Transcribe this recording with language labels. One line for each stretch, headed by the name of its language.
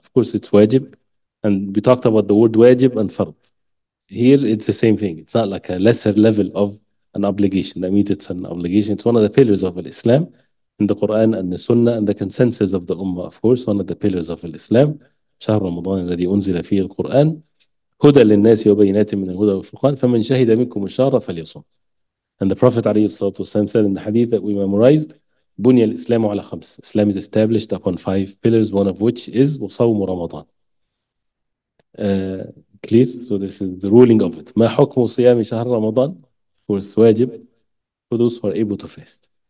English: Of course, it's wajib, and we talked about the word wajib and fard. Here, it's the same thing. It's not like a lesser level of an obligation. That means it's an obligation. It's one of the pillars of Islam, in the Quran and the Sunnah and the consensus of the Ummah. Of course, one of the pillars of Islam.
Arabic: شهر رمضان الذي أنزل فيه القرآن هدى للناس وبينات من الهدى والفرقان فمن شهد منكم الشهر فليصوم.
English: And the Prophet ﷺ said in the hadith that we memorized,
Arabic: بني الإسلام على خمس.
English: Islam is established upon five pillars, one of which is
Arabic: وصوم رمضان.
English: Clear? So this is the ruling of it.
Arabic: ما حكم صيام شهر رمضان؟
English: Of course, واجب for those who are able to fast.